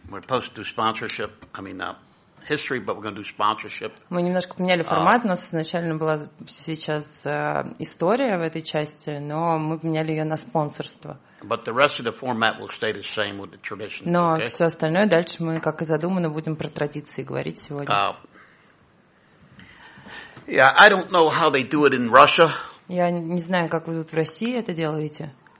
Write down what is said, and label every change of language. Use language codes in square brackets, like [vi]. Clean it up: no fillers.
[en] We're supposed to do sponsorship. I mean, history, but we're going to do sponsorship. [ru] Мы немножко поменяли формат. У нас изначально была сейчас история в этой части, но мы поменяли ее на спонсорство. [en] But the rest of the format will stay the same with the tradition. [ru] Но [en] okay? [ru] Все остальное дальше мы, как и задумано, будем про традиции говорить сегодня. [en] Yeah, I don't know how they do it in Russia. [ru] Я не знаю, как вы тут в России это делаете.